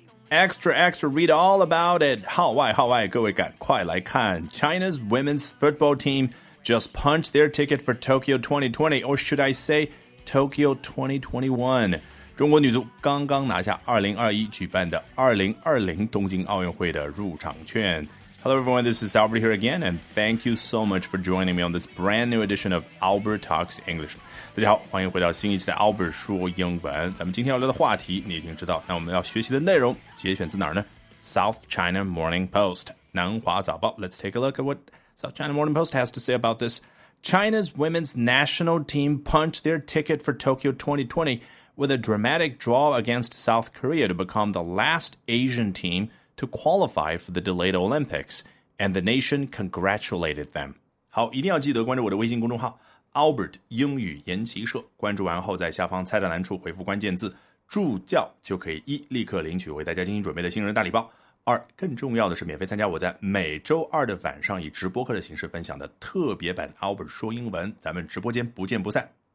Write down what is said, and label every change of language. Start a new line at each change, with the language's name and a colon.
English: Extra, extra, read all about it.
Chinese: 好外，好外，各位赶快来看。
English: China's women's football team just punched their ticket for Tokyo 2020, or should I say Tokyo 2021.
Chinese: 中国女足刚刚拿下2021举办的2020东京奥运会的入场券。
English: Hello everyone, this is Albert here again, and thank you so much for joining me on this brand new edition of Albert Talks English.
Chinese: 大家好，欢迎回到新一期的 Albert 说英文。咱们今天要聊的话题你已经知道，那我们要学习的内容节选自哪儿呢？
English: South China Morning Post, 南华早报。 Let's take a look at what South China Morning Post has to say about this. China's women's national team punched their ticket for Tokyo 2020 with a dramatic draw against South Korea to become the last Asian teamTo qualify for the delayed Olympics, and the nation congratulated them.
Chinese: 好，一定要记得关注我的微信公众号 Albert 英语研习社。关注完后，在下方菜单栏处回复关键字“助教”，就可以一立刻领取为大家精心准备的新人大礼包。二，更重要的是，免费参加我在每周二的晚上以直播课的形式分享的特别版 Albert 说英文，咱们直播间不见不散。